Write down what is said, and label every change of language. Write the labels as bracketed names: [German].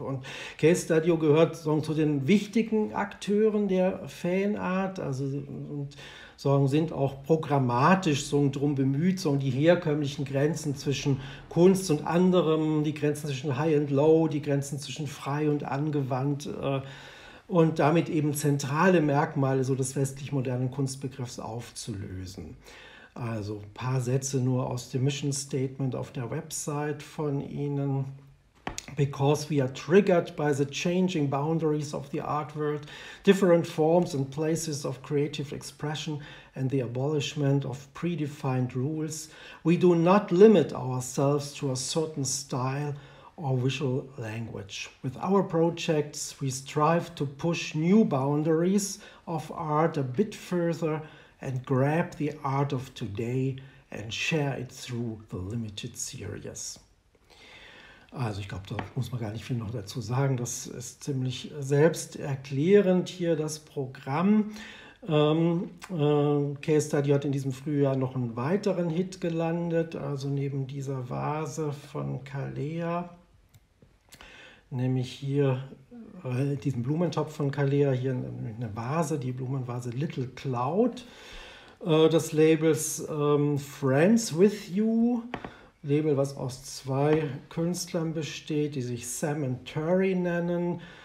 [German] Und K-Studio gehört so zu den wichtigen Akteuren der Fanart, also sind auch programmatisch so drum bemüht, so die herkömmlichen Grenzen zwischen Kunst und anderem, die Grenzen zwischen High and Low, die Grenzen zwischen frei und angewandt, und damit eben zentrale Merkmale so des westlich modernen Kunstbegriffs aufzulösen. Also ein paar Sätze nur aus dem Mission Statement auf der Website von Ihnen. [English] Because we are triggered by the changing boundaries of the art world, different forms and places of creative expression and the abolishment of predefined rules, we do not limit ourselves to a certain style or visual language. With our projects, we strive to push new boundaries of art a bit further and grab the art of today and share it through the limited series. [German] Also ich glaube, da muss man gar nicht viel noch dazu sagen. Das ist ziemlich selbsterklärend hier das Programm. Case Study hat in diesem Frühjahr noch einen weiteren Hit gelandet, also neben dieser Vase von Kalea, nämlich hier diesen Blumentopf von Kalea, hier eine Vase, die Blumenvase Little Cloud, des Labels Friends With You, Label, was aus zwei Künstlern besteht, die sich Sam und Terry nennen.